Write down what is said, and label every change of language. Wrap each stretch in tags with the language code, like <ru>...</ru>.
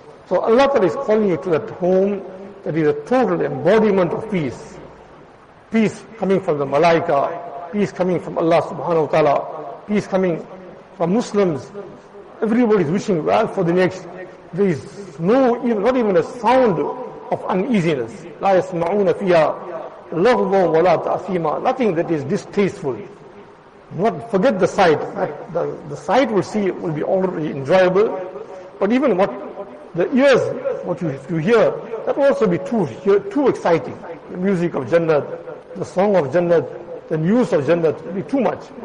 <en>So Allah Ta'ala is calling you to that home that is a total embodiment of peace. Peace coming from the malaika, peace coming from Allah subhanahu wa ta'ala, peace coming from Muslims. Everybody is wishing well for the next. There is no, not even a sound of uneasiness.</en> <ar>لا يسمعون فيها لغوا ولا تأثيما.</ar> <en>Nothing that is distasteful. Not, forget the sight. The sight will see will be already enjoyable. But even what the ears, what you hear, that will also be too exciting. The music of Jannat, the song of Jannat, the news of Jannat will be too much.</en>